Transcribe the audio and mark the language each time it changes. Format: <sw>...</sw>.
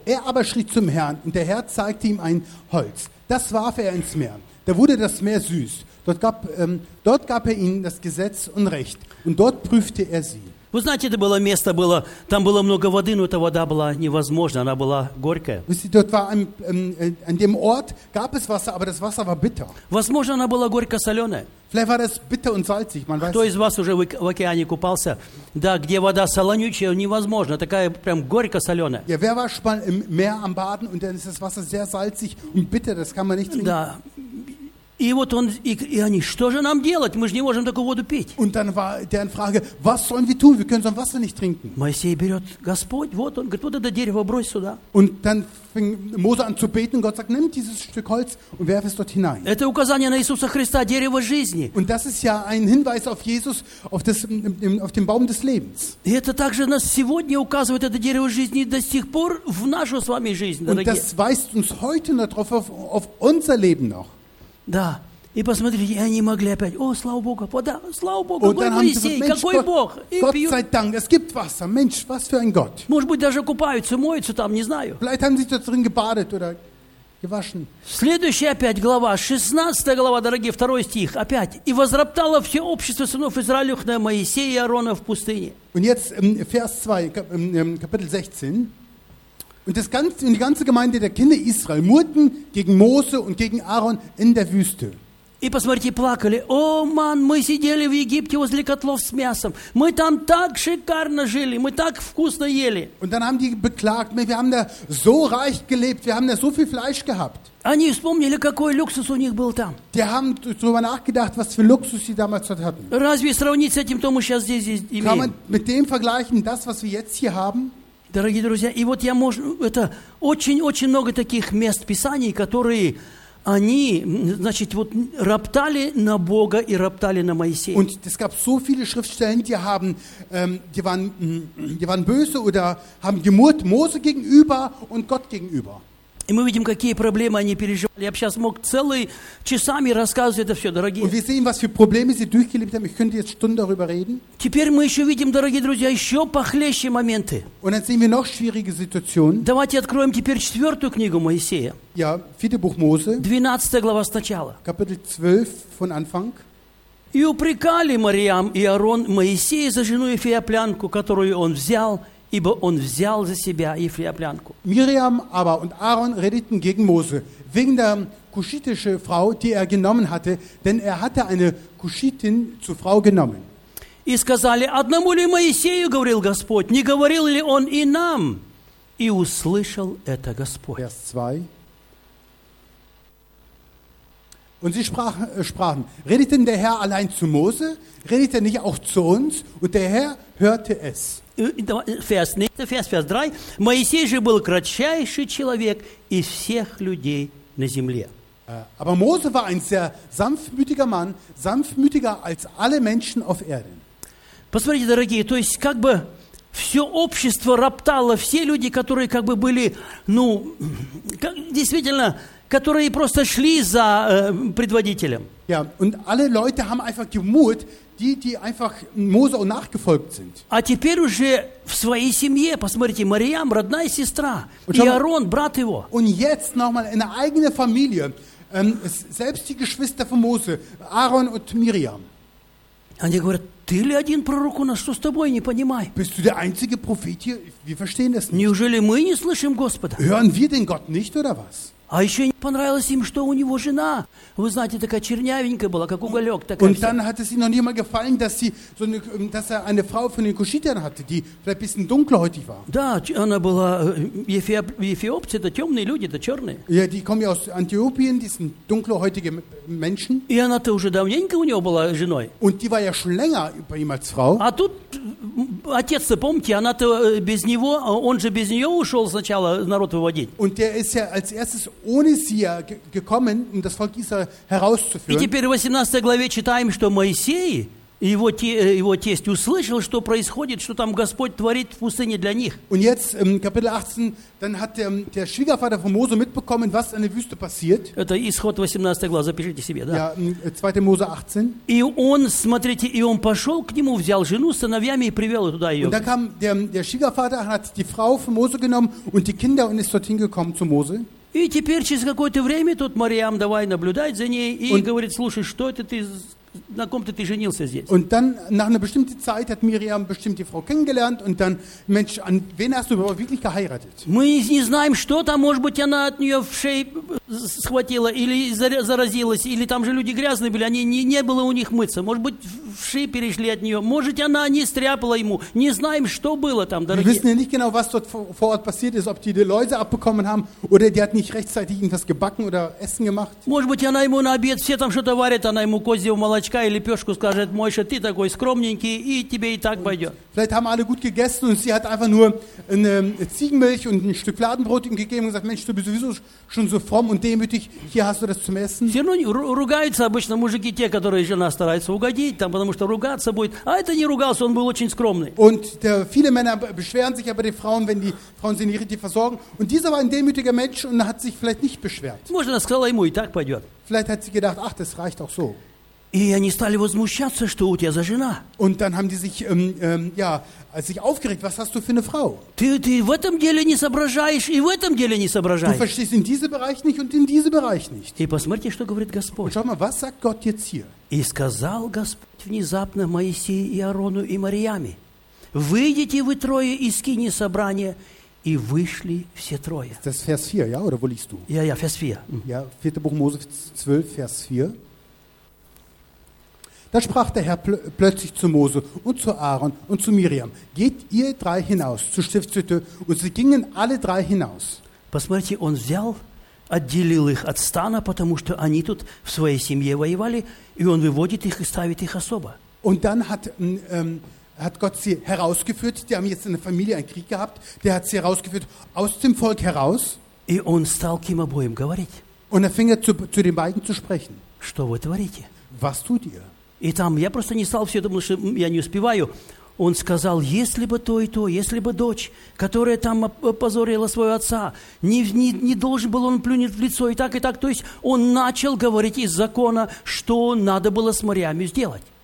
<de>Er aber schrie zum Herrn, und der Herr zeigte ihm ein Holz. Das warf er ins Meer. Da wurde das Meer süß. Dort gab er ihnen das Gesetz und Recht. Und dort prüfte er sie.</de> <ru>Вы знаете, это было место, было, там было много воды, но эта вода была невозможна, она была горькая.</ru> <de>An dem Ort gab es Wasser, aber das Wasser war bitter.</de> <ru>Возможно, она была горько-соленая.</ru> <de>Vielleicht war das bitter und salzig, man weiß.</de> <ru>Кто из вас уже в океане купался? Да, где вода солонючая, невозможно, такая прям горько-соленая.</ru> <de>Ja, wer war schon mal im Meer am Baden und dann ist das Wasser sehr salzig und bitter, das kann man nicht trinken.</de> <ru>Да. И вот он и они, что же нам делать? Мы же не можем такую воду пить.</ru> <de>Und dann war deren Frage, was sollen wir tun? Wir können so ein Wasser nicht trinken.</de> <ru>Моисей берет Господь, вот он, говорит, вот это дерево брось сюда.</ru> <de>Und dann fing Mose an zu beten, Gott sagt, nimm dieses Stück Holz und werf es dort hinein.</de> <ru>Это указание на Иисуса Христа, дерево жизни.</ru> <de>Und das ist ja ein Hinweis auf Jesus, auf den Baum des Lebens.</de> <ru>И это также нас сегодня указывает это дерево жизни до сих пор в нашу с вами жизнь, дорогие.</ru> <de>Und das weist uns heute noch drauf auf unser Leben noch.</de> <ru>Да, и посмотрите, они могли опять, о, слава Богу, вода, слава Богу, Бог Моисей, какой Бог, и пьют.</ru> <de>Sei Dank, es gibt Wasser, Mensch, was für ein Gott.</de> <ru>Может быть, даже купаются, моются там, не знаю.</ru> <de>Vielleicht haben sie dort drin gebadet oder gewaschen.</de> <ru>Следующая опять глава, 16 глава, дорогие, 2 стих, опять. И возроптало все общество сынов Израилевых на Моисея и Аарона в пустыне.</ru> <de>Und jetzt Vers 2, Kapitel 16. Und das ganze, die ganze Gemeinde der Kinder Israel murrten gegen Mose und gegen Aaron in der Wüste.</de> <ru>И посмотрите, плакали. О, ман, мы сидели в Египте возле котлов с мясом. Мы там так шикарно жили, мы так вкусно ели.</ru> <de>Und dann haben die beklagt, wir haben da so reich gelebt, wir haben da so viel Fleisch gehabt.</de> <ru>Они вспомнили, какой люксус у них был там.</ru> <de>Die haben darüber nachgedacht, was für Luxus sie damals dort hatten.</de> <ru>Разве сравнить с этим, то мы сейчас здесь имеем?</ru> <de>Kann man mit dem vergleichen, das, was wir jetzt hier haben?</de> <ru>Дорогие друзья, и вот я могу, это очень-очень много таких мест Писаний, которые они, значит, вот роптали на Бога и роптали на Моисея.</ru> <de>Und es gab so viele Schriftstellen, die waren böse oder haben gemurrt Mose gegenüber und Gott gegenüber.</de> <ru>И мы видим, какие проблемы они переживали. Я бы сейчас мог целые часами рассказывать это все, дорогие.</ru> <de>Und wir sehen, was für Probleme sie durchgelebt haben. Ich könnte jetzt Stunden darüber reden.</de> <ru>Теперь мы еще видим, дорогие друзья, еще похлеще моменты.</ru> <de>Und dann sehen wir noch schwierige Situationen.</de> <ru>Давайте откроем теперь 4 книгу Моисея.</ru> <de>Ja, 4. Buch Mose.</de> <ru>12 глава сначала.</ru> <de>Kapitel 12 von Anfang.</de> <ru>И упрекали Мариам и Аарон Моисея за жену Ефиоплянку, которую он взял. Ибо он взял за себя Ефиоплянку.</ru> <de>Мириам, aber und Aaron redeten gegen Mose wegen der kuschitische Frau, die er genommen hatte, denn er hatte eine Kuschitin zur Frau genommen.</de> <ru>И сказали: одному ли Моисею говорил Господь? Не говорил ли он и нам? И услышал это Господь.</ru> <de>Vers 2. Und sie sprachen: Redet denn der Herr allein zu Mose? Redet er nicht auch zu uns? Und der Herr hörte es. Vers 3.</de> <ru>Моисей же был кратчайший человек из всех людей на земле.</ru> <de>Aber Mose war ein sehr sanftmütiger Mann, sanftmütiger als alle Menschen auf Erden.</de> <ru>Посмотрите, дорогие, то есть как бы все общество роптало, все люди, которые как бы были, ну, действительно, которые просто шли за предводителем.</ru> <de>Ja, und alle Leute haben einfach die Mut, die einfach Mose auch nachgefolgt sind.</de> <ru>А теперь уже в своей семье, посмотрите, Мариам, родная сестра, и Аарон, брат его.</ru> <de>Und jetzt nochmal in der eigenen Familie, selbst die Geschwister von Mose, Aaron und Miriam.</de> <ru>Они говорят, ты ли один пророк у нас, что с тобой, не понимай.</ru> <de>Bist du der einzige Prophet hier? Wir verstehen das nicht.</de> <ru>Неужели мы не слышим Господа?</ru> <de>Hören wir den Gott nicht, oder was?</de> <ru>А еще не понравилось им, что у него жена, вы знаете, такая чернявенькая была, как уголек.</ru> <de>Und dann hat es ihnen noch nie mal gefallen, dass er eine Frau von den Kuschitern hatte, die vielleicht ein bisschen dunkelhäutig war.</de> <ru>Да, она была эфиопцы, это темные люди, это черные.</ru> <de>Ja, die kommen ja aus Äthiopien, die sind dunkelhäutige Menschen.</de> <ru>И она-то уже давненько у него была женой.</ru> <de>Und die war ja schon länger bei ihm als Frau.</de> <ru>А тут отец-то, помните, она-то без него, он же без нее ушел сначала народ выводить.</ru> <de>Und der ist ja als erstes ohne sie gekommen, um das Volk Israel herauszuführen.</de> <ru>И теперь в 18 главе читаем, что Моисей, его тесть, услышал, что происходит, что там Господь творит в пустыне для них.</ru> <de>Und jetzt, im Kapitel 18, dann hat der Schwiegervater von Mose mitbekommen, was in der Wüste passiert.</de> <ru>Это исход 18 глава, запишите себе, да?</ru> <de>Ja, 2. Mose 18.</de> <ru>И он, смотрите, и он пошел к нему, взял жену с сыновьями и привел туда ее.</ru> <de>Und da kam der Schwiegervater, hat die Frau von Mose genommen und die Kinder und ist dorthin gekommen zu Mose.</de> <ru>И теперь через какое-то время тут Мариам давай наблюдать за ней и говорит, слушай, что это ты, на ком-то ты женился здесь?</ru> <de>Und dann nach einer bestimmten Zeit hat Miriam bestimmt die Frau kennengelernt und dann, Mensch, an wen hast du überhaupt wirklich geheiratet?</de> <ru>Мы не знаем, что там, может быть, она от нее в шею схватила или заразилась, или там же люди грязные были, они не было у них мыться, может быть, в шею перешли от нее, может, она не стряпала ему, не знаем, что было там, дорогие.</ru> <de>Wir wissen ja nicht genau, was dort vor Ort passiert ist, ob die Läuse abbekommen haben oder die hat nicht rechtzeitig irgendwas gebacken oder Essen gemacht.</de> <ru>Может быть, она ему на обед все там что-то варит, она ему козьего молочка и лепешку скажет, Мойша, ты такой скромненький, и тебе и так пойдет.</ru> <de>Vielleicht haben alle gut gegessen und sie hat einfach nur eine Ziegenmilch und ein Stück Fladenbrot ihm gegeben und gesagt, Mensch, du bist sowieso schon so fromm und demütig, hier hast du das zum Essen.</de> <ru>Все равно ругаются обычно мужики те, которые жена старается угодить, там, потому что ругаться будет. А это не ругался, он был очень скромный.</ru> <de>Und viele Männer beschweren sich aber die Frauen, wenn die Frauen sie nicht richtig versorgen. Und dieser war ein demütiger Mensch und hat sich vielleicht nicht beschwert.</de> <ru>Может, она сказала ему, и так пойдет.</ru> <de>Vielleicht hat sie gedacht, ach, das reicht auch so.</de> <ru>И они стали возмущаться, что у тебя за жена.</ru> <de>Und dann haben die sich, als sich aufgeregt, was hast du für eine Frau?</de> <ru>Ты в этом деле не соображаешь, и в этом деле не соображаешь.</ru> <de>Du verstehst in diesem Bereich nicht und in diesem Bereich nicht.</de> <ru>И посмотрите, что говорит Господь.</ru> <de>Und schau mal, was sagt Gott jetzt hier?</de> <ru>И сказал Господь внезапно Моисею и Аарону и Мариаме, выйдите вы трое из скини собрания, и вышли все трое.</ru> <de>Das ist Vers 4, ja, oder wo liest du? Ja, Vers 4. Ja, 4. Buch Mose 12, Vers 4. Da sprach der Herr plötzlich zu Mose und zu Aaron und zu Miriam, geht ihr drei hinaus zur Stiftshütte. Und sie gingen alle drei hinaus.</de> <ru>Посмотрите, он взял, отделил их от стана, потому что они тут в своей семье воевали, и он выводит их и ставит их особо.</ru> <de>Und dann hat Gott sie herausgeführt, die haben jetzt in der Familie einen Krieg gehabt, der hat sie herausgeführt aus dem Volk heraus.</de> <ru>И он стал к ним обоим говорить.</ru> <de>Und er fing zu den beiden zu sprechen.</de> <ru>Что вы творите?</ru> <de>Was tut ihr?</de> <ru>И там, я просто не стал все это, потому что я не успеваю. Он сказал, если бы то и то, если бы дочь, которая там опозорила своего отца, не должен был он плюнуть в лицо и так, то есть он начал говорить из закона, что надо было с Мариамой сделать.</ru>